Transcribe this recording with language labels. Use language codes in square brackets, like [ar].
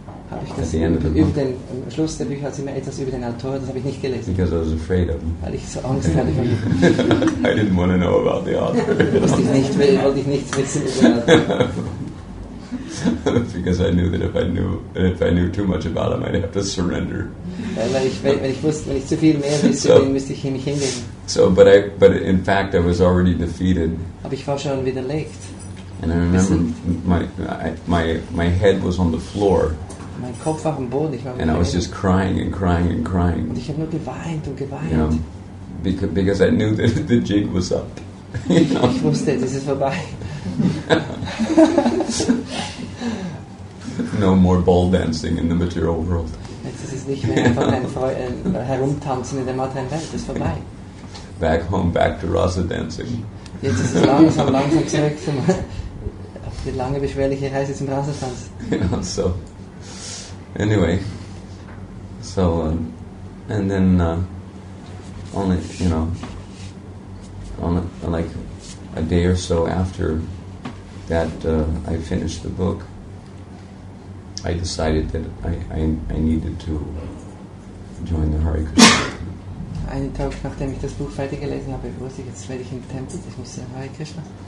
[de] habe ich das über den am Schluss der Bücher immer etwas über den Autor, das habe ich nicht gelesen. [en] Because I was afraid of him. [de] Weil ich so Angst hatte von ihm. [en] I didn't want to know about the author. [de] Wusste ich nicht, wollte ich nichts wissen über den Autor. [en] Because I knew that if I knew too much about him, I'd have to surrender. [de] Wenn ich zu viel mehr wüsste, so, dann müsste ich mich hingeben. [en] So, but in fact, I was already defeated. [de] Aber ich war schon widerlegt. [en] And I remember my head was on the floor. [de] Mein Kopf war am Boden. Ich war [en] and I was just crying and crying and crying. [de] Und ich habe nur geweint und geweint. [en] You know, because I knew that the jig was up. You know? [de] Ich wusste, das ist vorbei. [en] No more ball dancing in the material world. [de] Jetzt ist es nicht mehr einfach ein herumtanzen in der materiellen Welt. Das ist vorbei. [en] Back home, back to Rasa dancing. [de] Jetzt ist es langsam zurück zum die lange beschwerliche Reise zum Rasa-Tanz. [en] Yeah, so anyway, so and then only you know, on like a day or so after that I finished the book, I decided that I needed to join the Hare Krishna. [de] Einen Tag nachdem ich das Buch fertig gelesen habe, wusste ich, jetzt werde ich im Tempel, ich muss in Hare Krishna.